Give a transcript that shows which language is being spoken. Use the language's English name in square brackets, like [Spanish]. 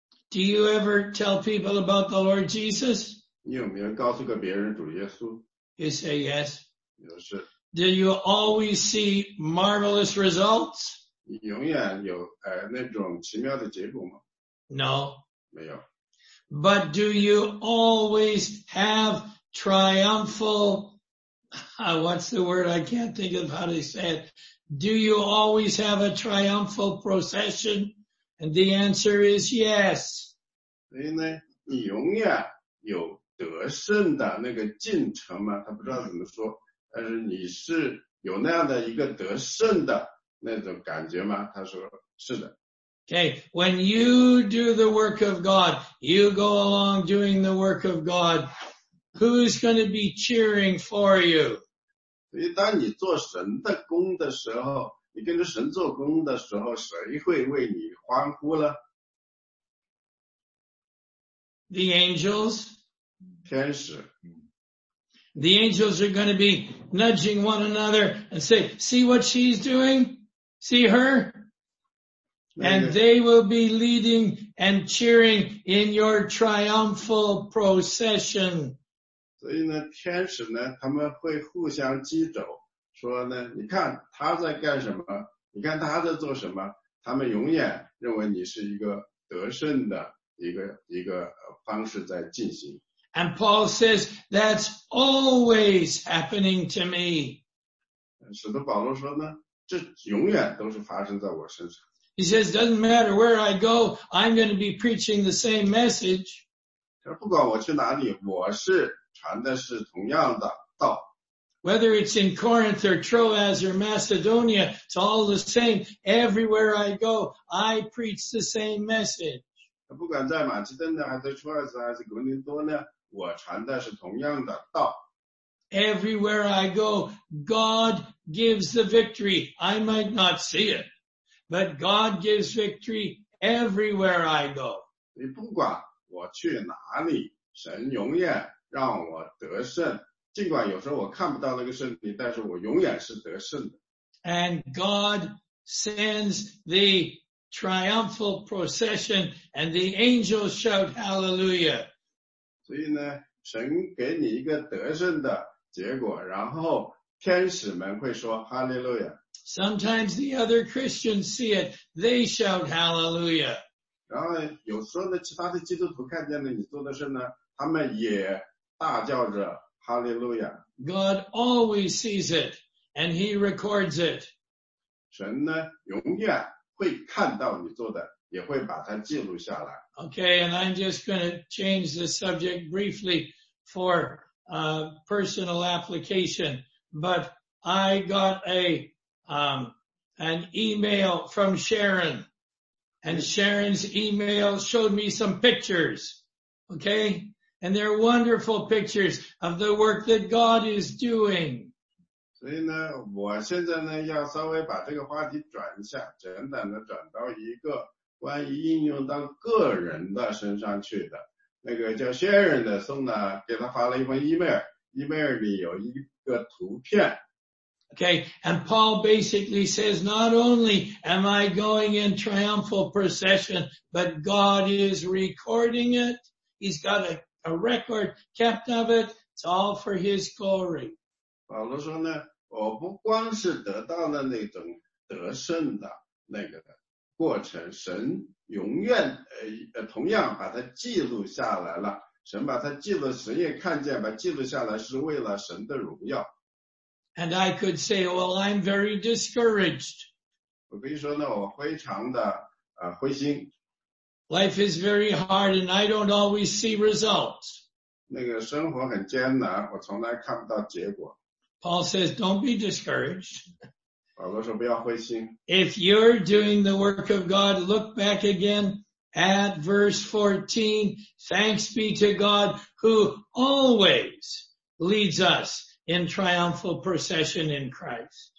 [English] Do you ever tell people about the Lord Jesus? [Chinese] 你有没有告诉过别人主耶稣？ [English] You say yes. [Chinese] 有是。 [English] Do you always see marvelous results? [Chinese] 你永远有那种奇妙的结果吗？ [English] No. [Chinese] 没有。 [English] But do you always have triumphal, what's the word? I can't think of how to say it. Do you always have a triumphal procession? And the answer is yes. [Chinese] 所以呢，你永远有得胜的那个进程吗？他不知道怎么说，但是你是有那样的一个得胜的那种感觉吗？他说是的。 [English] Okay, when you do the work of God, you go along doing the work of God, who's going to be cheering for you? [Chinese] 所以当你做神的工的时候，你跟着神做工的时候，谁会为你欢呼呢？ [English] The angels. [Chinese] 天使。 [English] The angels are going to be nudging one another and say, see what she's doing? See her? And they will be leading and cheering in your triumphal procession. [Chinese] 所以呢，天使呢，他们会互相击肘，说呢，你看他在干什么，你看他在做什么，他们永远认为你是一个得胜的一个方式在进行。 [English] And Paul says, that's always happening to me. [Chinese] 使徒保罗说呢，这永远都是发生在我身上。 [English] He says, doesn't matter where I go, I'm going to be preaching the same message. [Chinese] 不管我去哪里，我是传的是同样的道。 [English] Whether it's in Corinth or Troas or Macedonia, it's all the same. Everywhere I go, I preach the same message. [Chinese] 不管在马其顿呢，还是出埃及，还是格林多呢，我传的是同样的道。 [English] Everywhere I go, God gives the victory. I might not see it. But God gives victory everywhere I go. [Chinese] 你不管我去哪里，神永远让我得胜。尽管有时候我看不到那个胜利，但是我永远是得胜的。 [English] And God sends the triumphal procession and the angels shout hallelujah. [Chinese] 所以呢，神给你一个得胜的结果，然后天使们会说哈利路亚。 [English] Sometimes the other Christians see it. They shout hallelujah. [Chinese] 然后有时候呢，其他的基督徒看见了你做的事呢，他们也大叫着哈利路亚。 [English] God always sees it and he records it. [Chinese] 神呢，永远会看到你做的，也会把它记录下来。 [English] Okay, and I'm just going to change the subject briefly for personal application. But I got an email from Sharon, and Sharon's email showed me some pictures, okay? And they're wonderful pictures of the work that God is doing. [Chinese] 所以呢，我现在呢要稍微把这个话题转一下，简单的转到一个关于应用到个人的身上去的。那个叫 Sharon 的送呢，给他发了一封 email 里有一个图片。 [English] Okay, and Paul basically says, not only am I going in triumphal procession, but God is recording it. He's got a a record kept of it. It's all for his glory. [Chinese] 保罗说呢，我不光是得到了那种得胜的那个过程，神永远同样把它记录下来了。神把它记录，神也看见，把记录下来是为了神的荣耀。 [English] And I could say, well, I'm very discouraged. [Chinese] 我可以说呢，我非常的灰心。 [English] Life is very hard, and I don't always see results. [Chinese] 那个生活很艰难，我从来看不到结果。 [English] Paul says, don't be discouraged. [Chinese] 保罗说不要灰心。 [English] If you're doing the work of God, look back again at verse 14. Thanks be to God who always leads us in triumphal procession in Christ.